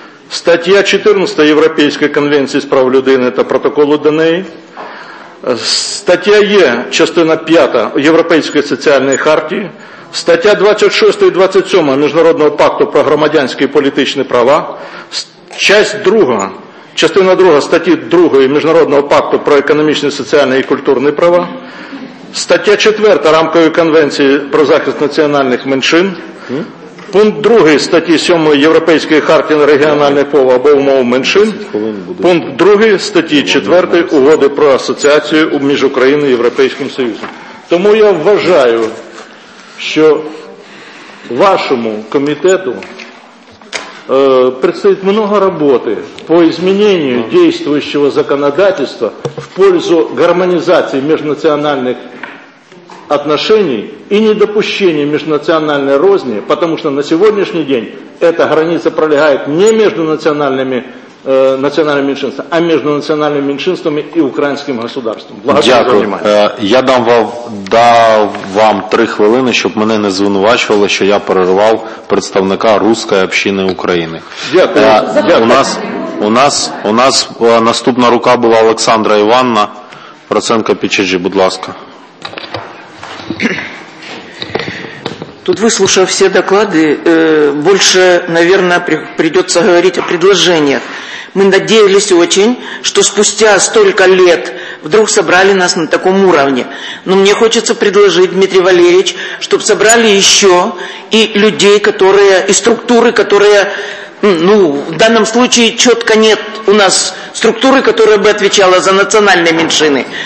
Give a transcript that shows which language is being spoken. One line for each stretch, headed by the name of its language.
Russian: Статья 14 Европейской конвенции с
Ukrainian: прав людини,
Russian: это протокол ДНЕ. Статья Е, частина 5 Европейской социальной хартии. Статья 26 и 27 Международного пакта про громадянские и политические права. Часть 2.
Ukrainian: Частина 2 статті 2 Міжнародного пакту про економічні, соціальні і культурні права. Стаття 4 Рамкової конвенції про захист національних меншин. Пункт 2 статті 7 Європейської хартії регіональних мов або мов меншин. Пункт 2 статті 4 Угоди про асоціацію між Україною і Європейським Союзом. Тому я вважаю, що
Russian: вашему комитету предстоит много работы по изменению действующего законодательства в пользу гармонизации межнациональных отношений и недопущения межнациональной розни, потому что на сегодняшний день эта граница пролегает не между национальными меньшинствами, а между национальными меньшинствами и украинским государством. Благодарю за внимание.
Ukrainian: Я дам вам 3 хвилини, щоб мене не звинувачували, що я перервав представника Руської общини України. Дякую. У нас наступна рука була Олександра Іванна Проценко Пічежі, будь ласка.
Russian: Тут, выслушав все доклады, больше, наверное, придется говорить о предложениях. Мы надеялись очень, что спустя столько лет вдруг собрали нас на таком уровне. Но мне хочется предложить, Дмитрий Валерьевич, чтобы собрали еще и людей, которые, и структуры, которые, ну, в данном случае четко нет у нас структуры, которая бы отвечала за национальные меньшины.